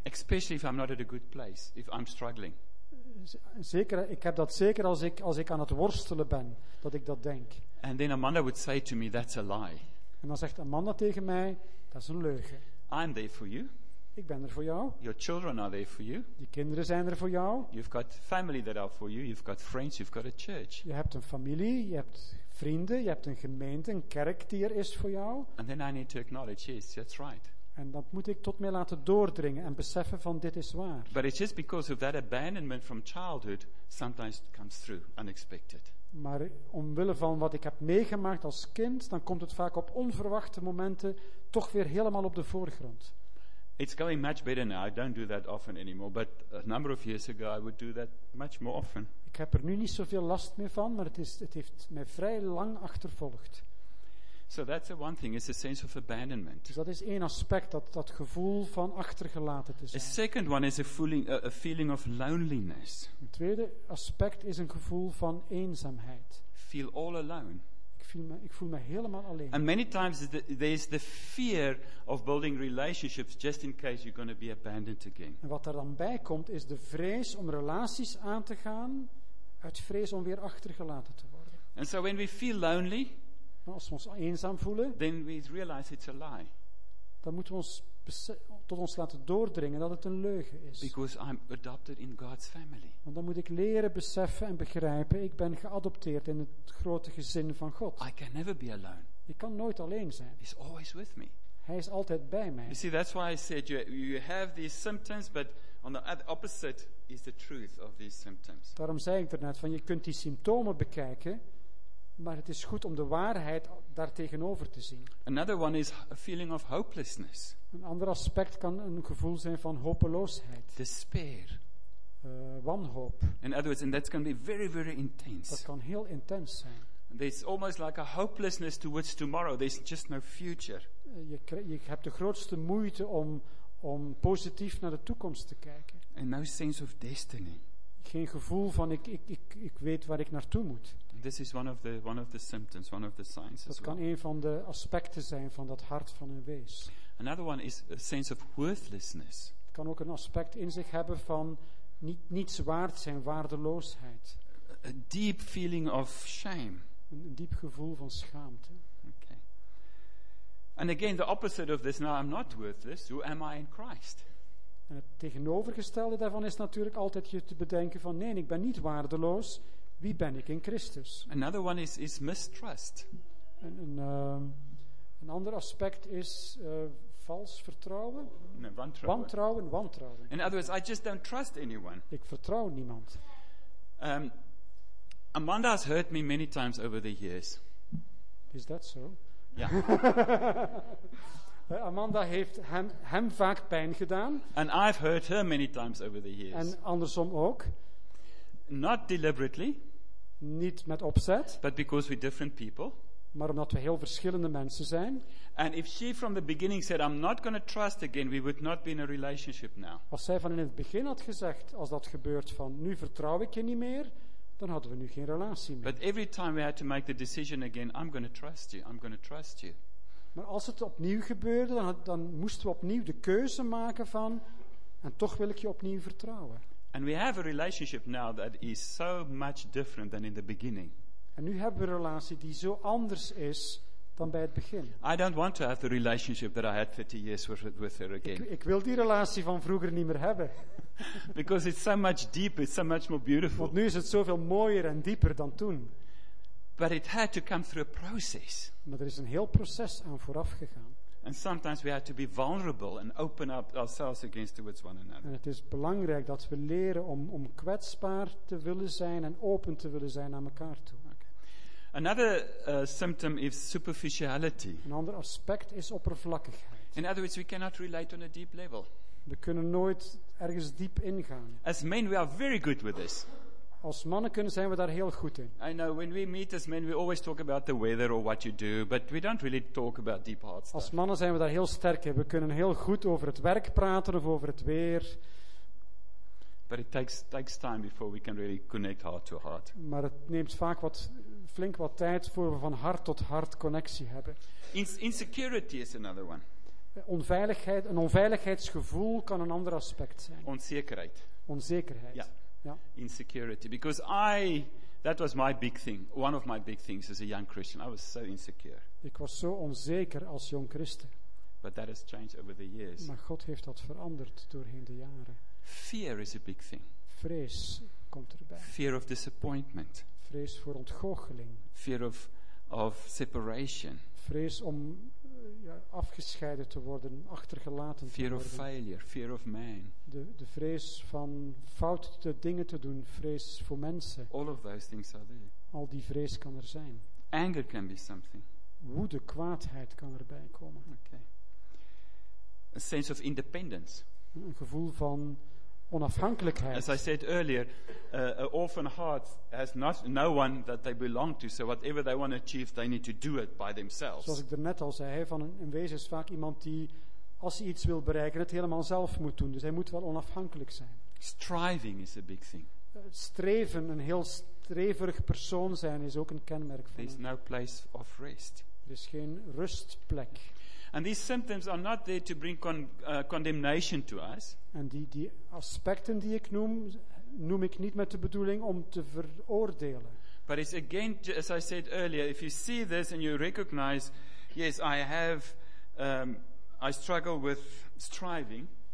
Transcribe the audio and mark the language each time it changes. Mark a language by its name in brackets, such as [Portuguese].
[English] Especially if I'm not at a good place, if I'm struggling. [Dutch] Zeker, ik heb dat zeker als ik aan het worstelen ben, dat ik dat denk. [English] And then Amanda would say to me, that's a lie. [Dutch] En dan zegt Amanda tegen mij, dat is een leugen. [English] I'm there for you. [Dutch] Ik ben er voor jou. [English] Your children are there for you. [Dutch] Je kinderen zijn er voor jou. [English] You've got family that are for you. You've got friends. You've got a church. [Dutch] Je hebt een familie. Je hebt vrienden. Je hebt een gemeente, een kerk die er is voor jou. [English] And then I need to acknowledge, yes, that's right. [Dutch] En dat moet ik tot mij laten doordringen en beseffen van dit is waar. [English] But it's just because of that abandonment from childhood sometimes comes through unexpected. [Dutch] Maar omwille van wat ik heb meegemaakt als kind, dan komt het vaak op onverwachte momenten toch weer helemaal op de voorgrond. [English] It's going much better now. I don't do that often anymore. But a number of years ago, I would do that much more often. [Dutch] Ik Ik heb er nu niet zoveel last meer van, maar het heeft mij vrij lang achtervolgd. [English] So that's the one thing, is the sense of abandonment. [Dutch] Dus dat is één aspect, dat gevoel van achtergelaten te zijn. [English] A second one is a feeling of loneliness. [Dutch] Een tweede aspect is een gevoel van eenzaamheid. [English] Feel all alone. [Dutch] Ik voel me helemaal alleen. [English] And many times there is the fear of building relationships just in case you're going to be abandoned again. [Dutch] En wat er dan bij komt is de vrees om relaties aan te gaan uit vrees om weer achtergelaten te worden. [English] And so when we feel lonely, [Dutch] als we ons eenzaam voelen, [English] then we realize it's a lie. [Dutch] Dan moeten we ons tot ons laten doordringen dat het een leugen is. [English] Because I'm adopted in God's family. [Dutch] Want dan moet ik leren beseffen en begrijpen, ik ben geadopteerd in het grote gezin van God. [English] I can never be alone. [Dutch] Ik kan nooit alleen zijn. [English] He's always with me. [Dutch] Hij is altijd bij mij. [English] You see, that's why I said you have these symptoms, but on the opposite is the truth of these symptoms. [Dutch] Daarom zei ik daarnet van je kunt die symptomen bekijken. Maar het is goed om de waarheid daartegenover te zien. [English] Another one is a feeling of hopelessness. [Dutch] Een ander aspect kan een gevoel zijn van hopeloosheid. [English] Despair. [Dutch] Wanhoop. [English] In other words, and that can be very, very intense. [Dutch] Dat kan heel intens zijn. [English] There's almost like a hopelessness towards tomorrow. There's just no future. [Dutch] Je hebt de grootste moeite om positief naar de toekomst te kijken. [English] And no sense of destiny. [Dutch] Geen gevoel van ik weet waar ik naartoe moet. [English] This is one of the symptoms, one of the signs. [Dutch] Dat kan een van de aspecten zijn van dat hart van een wees. [English] Another one is a sense of worthlessness. [Dutch] Het kan ook een aspect in zich hebben van niets waard zijn, waardeloosheid. [English] A deep feeling of shame. [Dutch] Een diep gevoel van schaamte. [English] Okay. And again the opposite of this. Now I'm not worthless. Who am I in Christ? [Dutch] En het tegenovergestelde daarvan is natuurlijk altijd je te bedenken van nee, ik ben niet waardeloos. Wie ben ik in Christus? [English] Another one is mistrust. [Dutch] Een ander aspect is vals vertrouwen. Nee, wantrouwen. [English] In other words, I just don't trust anyone. [Dutch] Ik vertrouw niemand. [English] Amanda has hurt me many times over the years. Is that so? [Dutch] Ja. Amanda heeft hem vaak pijn gedaan. [English] And I've hurt her many times over the years. [Dutch] En andersom ook. [English] Not deliberately. [Dutch] Niet met opzet. [English] But because we're different people. [Dutch] Maar omdat we heel verschillende mensen zijn. [English] And if she from the beginning said, I'm not going to trust again, we would not be in a relationship now. [Dutch] Als zij van in het begin had gezegd, als dat gebeurt van, nu vertrouw ik je niet meer, dan hadden we nu geen relatie meer. [English] But every time we had to make the decision again, I'm going to trust you. [Dutch] Maar als het opnieuw gebeurde, dan moesten we opnieuw de keuze maken van, en toch wil ik je opnieuw vertrouwen. [English] And we have a relationship now that is so much different than in the beginning. [Dutch] En nu hebben we een relatie die zo anders is dan bij het begin. [English] I don't want to have the relationship that I had 30 years with her again. [Dutch] Ik wil die relatie van vroeger niet meer hebben. [English] Because it's so much deeper, it's so much more beautiful. [Dutch] Want nu is het zoveel mooier en dieper dan toen. [English] But it had to come through a process. [Dutch] Maar er is een heel proces aan vooraf gegaan. [English] And sometimes we have to be vulnerable and open up ourselves against towards one another. [Dutch] En het is belangrijk dat we leren om kwetsbaar te willen zijn en open te willen zijn naar elkaar toe. [English] Okay. Another symptom is superficiality. [Dutch] Een ander aspect is oppervlakkigheid. [English] In other words, we cannot relate on a deep level. [Dutch] We kunnen nooit ergens diep ingaan. [English] As men, we are very good with this. [Dutch] Als mannen kunnen zijn we daar heel goed in. [English] I know when we meet as men we always talk about the weather or what you do, but we don't really talk about deep heart stuff. [Dutch] Als mannen zijn we daar heel sterk in. We kunnen heel goed over het werk praten of over het weer. [English] But it takes time before we can really connect heart to heart. [Dutch] Maar het neemt vaak flink wat tijd voor we van hart tot hart connectie hebben. [English] Insecurity is another one. [Dutch] Onveiligheid, een onveiligheidsgevoel kan een ander aspect zijn. Onzekerheid. Ja. Ja. [English] Insecurity, because that was my big thing, one of my big things as a young Christian. I was so insecure. [Dutch] Ik was zo onzeker als jong Christen. [English] But that has changed over the years. [Dutch] Maar God heeft dat veranderd doorheen de jaren. [English] Fear is a big thing. [Dutch] Vrees komt erbij. [English] Fear of disappointment. [Dutch] Vrees voor ontgoocheling. [English] Fear of separation. [Dutch] Vrees om afgescheiden te worden, achtergelaten [English] fear [Dutch] te worden. [English] Fear of failure, fear of man. [Dutch] De vrees van foute dingen te doen, vrees voor mensen. [English] All of those things are there. [Dutch] Al die vrees kan er zijn. [English] Anger can be something. [Dutch] Woede, kwaadheid kan erbij komen. [English] Okay. A sense of independence. [Dutch] Een gevoel van onafhankelijkheid. [English] As I said earlier, an orphan heart has no one that they belong to, so whatever they want to achieve, they need to do it by themselves. [Dutch] Zoals ik er net al zei, van een wezen is vaak iemand die, als hij iets wil bereiken, het helemaal zelf moet doen. Dus hij moet wel onafhankelijk zijn. [English] Striving is a big thing. [Dutch] Streven, een heel streverig persoon zijn, is ook een kenmerk van. [English] There's [Dutch] hem. [English] No place of rest. [Dutch] Er is geen rustplek. [English] And these symptoms are not there to bring condemnation to us. [Dutch] En die aspecten die ik noem ik niet met de bedoeling om te veroordelen. [English] But it's again, as I said earlier, if you see this and you recognize, yes, I have, I struggle with striving.